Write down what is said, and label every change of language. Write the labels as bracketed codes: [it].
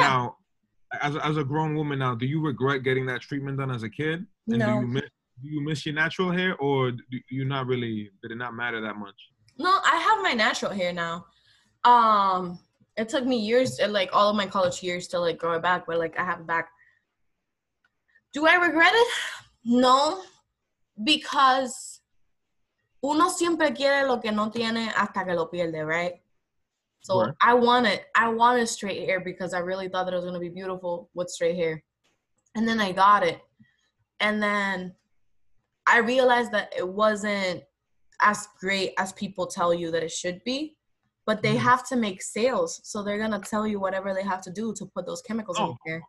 [en] Now, as a grown woman now, do you regret getting that treatment done as a kid? And no. Do you miss your natural hair, or do you not really, did it not matter that much? No, I have my natural hair now. It took me years, like, all of my college years to, like, grow it back, but, like, I have it back. Do I regret it? No, because [es] uno siempre quiere lo que no tiene hasta que lo pierde, [en] right? So what? I wanted straight hair because I really thought that it was going to be beautiful with straight hair. And then I got it. And then I realized that it wasn't as great as people tell you that it should be. But they have to make sales. So they're going to tell you whatever they have to do to put those chemicals in your hair.